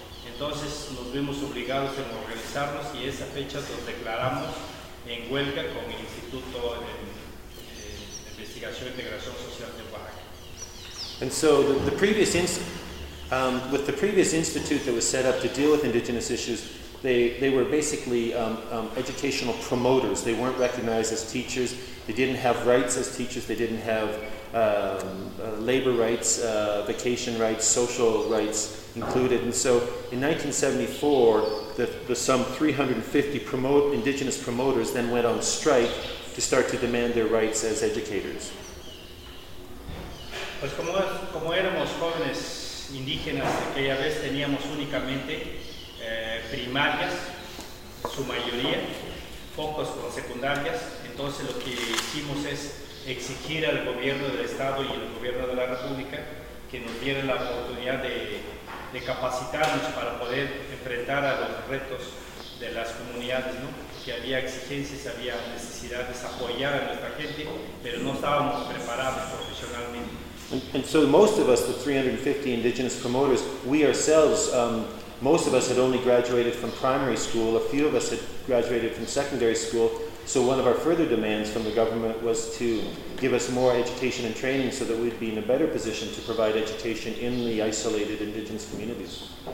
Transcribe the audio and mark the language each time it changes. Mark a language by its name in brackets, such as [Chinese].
[Spanish] Entonces nos vimos obligados a organizarnos y esa fecha nos declaramos en huelga con el Instituto de Investigación e Integración Social de Oaxaca. [English] And so with the previous institute that was set up to deal with indigenous issues, they were basically educational promoters. They weren't recognized as teachers. They didn't have rights as teachers. They didn't have labor rights, vacation rights, social rights included. And so in 1974, the some 350 indigenous promoters then went on strike to start to demand their rights as educators. [Spanish] Pues como éramos jóvenes indígenas de aquella vez, teníamos únicamente primarias, su mayoría, pocos con secundarias. Entonces lo que hicimos es exigir al gobierno del estado y al gobierno de la república que nos dieran la oportunidad de capacitarnos para poder enfrentar a los retos de las comunidades, ¿no? Que había exigencias, había necesidades de apoyar a nuestra gente, pero no estábamos preparados profesionalmente. [English] And so most of us, the 350 indigenous promoters, we ourselves, most of us had only graduated from primary school, a few of us had graduated from secondary school, so one of our further demands from the government was to give us more education and training so that we'd be in a better position to provide education in the isolated indigenous communities.